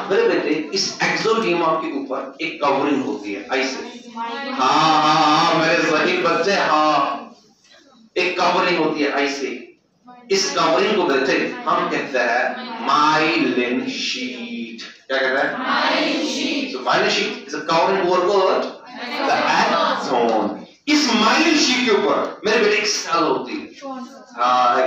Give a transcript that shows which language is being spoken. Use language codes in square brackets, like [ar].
[hi] मेरे बेटे इस exolema के ऊपर एक covering होती है ऐसे. हाँ मेरे सही बच्चे हाँ एक covering होती है ऐसे. इस covering को बोलते हैं हम कहते हैं myelin sheet. क्या कहते हैं? [en] Myelin sheet. So myelin sheet is a covering over what? The axon. [hi] इस myelin sheet के ऊपर मेरे बेटे एक cell होती है.